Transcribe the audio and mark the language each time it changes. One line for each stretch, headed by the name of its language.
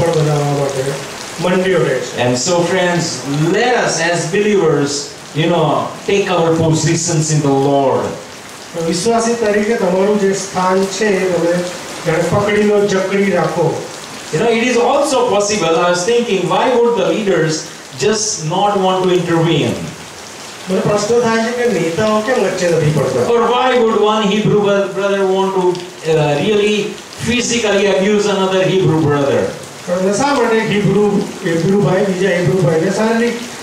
English: And so friends, let us as believers, take our positions in the Lord.
Gujarati: વિશ્વાસી તરીકે તમારું જે સ્થાન છે તમે ધરપકડીને જકડી રાખો.
English: It is also possible, I was thinking, why would the leaders just not want to intervene?
Gujarati: મને પ્રશ્ન થાય છે કે નેતાઓ કેમ વચ્ચે નથી પડતા?
English: Or why would one Hebrew brother want to really physically abuse another Hebrew brother?
Gujarati: તો શા માટે હિબ્રુ ભાઈ બીજા હિબ્રુ ભાઈને શારીરિક.